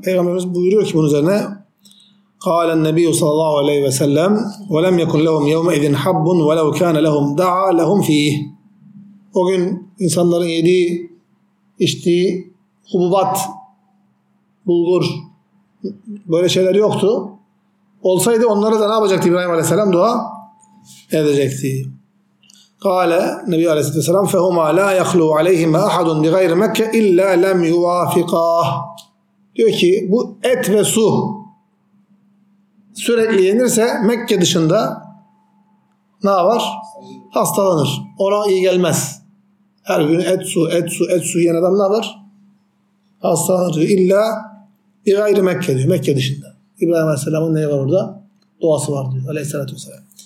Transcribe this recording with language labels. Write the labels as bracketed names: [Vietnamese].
[Turkish] Peygamberimiz buyuruyor ki bunun üzerine [Arabic] قال النبي صلى الله عليه وسلم ولم يكن لهم يومئذ حب ولو كان لهم دعا لهم فيه. [Turkish] O gün insanların yediği, içtiği hububat, bulgur böyle şeyler yoktu. Olsaydı onlara da ne yapacaktı İbrahim Aleyhisselam? Dua edecekti. [Arabic] قال النبي عليه الصلاة والسلام فهما لا يخلو عليهما أحد بغير مكة إلا لم يوافقا. [Turkish] Diyor ki bu et ve su sürekli yenirse Mekke dışında ne var? Hastalanır. Ona iyi gelmez. Her gün et su, et su, et su yiyen adam ne var? Hastalanır diyor. İlla bir gayri Mekke diyor. Mekke dışında. İbrahim Aleyhisselam'ın neyi var orada? Duası var diyor. Aleyhisselatü Vesselam.